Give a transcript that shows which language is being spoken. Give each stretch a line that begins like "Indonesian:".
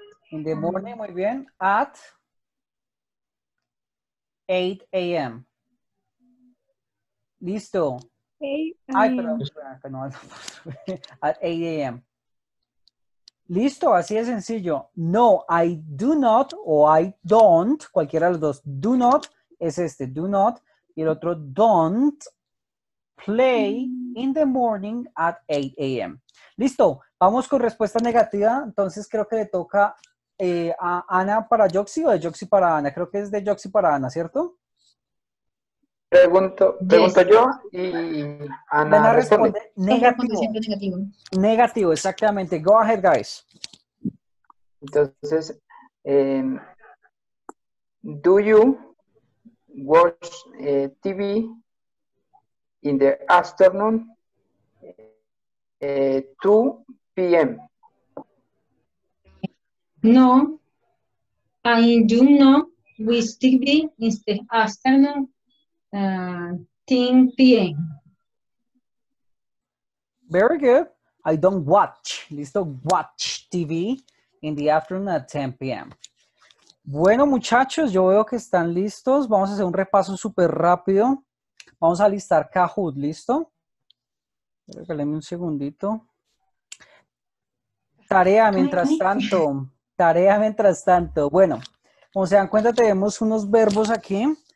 English: In the morning,
Spanish: muy bien.
English: At 8 a.m. Listo. 8 a.m.
Spanish: Ay, perdón, no,
English: at 8 a.m.
Spanish: Listo, así de sencillo. No,
English: I do not
Spanish: o
English: I don't,
Spanish: cualquiera de los dos.
English: Do not
Spanish: es este,
English: do not.
Spanish: Y el otro,
English: don't play in the morning at 8 a.m.
Spanish: Listo, vamos con respuesta negativa. Entonces creo que le toca a Ana para Yoxi o de Yoxi para Ana. Creo que es de Yoxi para Ana, ¿cierto? Pregunto yes. Yo y Ana responde. Negativo. Negativo, exactamente.
English: Go ahead, guys. Entonces, do you watch TV in the afternoon 2 p.m.? No, I do not watch TV in the afternoon 10 p.m. Very good. I don't watch. Listo, watch TV in the afternoon at 10 p.m.
Spanish: Bueno, muchachos, yo veo que están listos. Vamos a hacer un repaso súper rápido. Vamos a listar Kahoot, ¿listo? Regáleme un segundito. Tarea mientras tanto. Tarea mientras tanto. Bueno, como se dan cuenta, tenemos unos verbos aquí.